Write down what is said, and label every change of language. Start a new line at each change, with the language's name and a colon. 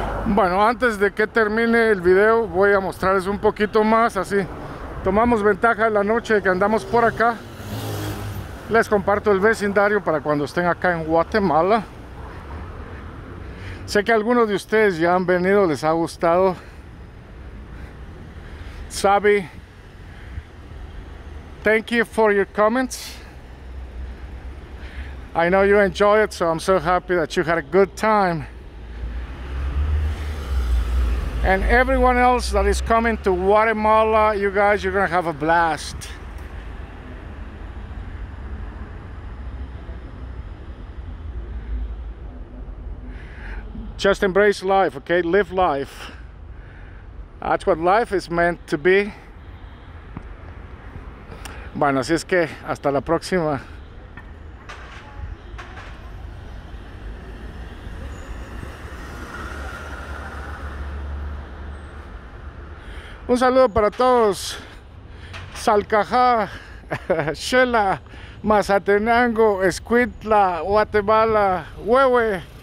Spanish: Bueno, antes de que termine el video, voy a mostrarles un poquito más, así tomamos ventaja de la noche que andamos por acá. Les comparto el vecindario para cuando estén acá en Guatemala. Sé que algunos de ustedes ya han venido, les ha gustado.
English: Xavi, thank you for your comments. I know you enjoy it, so I'm so happy that you had a good time. And everyone else that is coming to Guatemala, you guys, you're gonna have a blast. Just embrace life, okay? Live life. That's what life is meant to be.
Spanish: Bueno, así es que hasta la próxima. Un saludo para todos. Salcajá, Xela, Mazatenango, Escuintla, Guatemala, Huehue.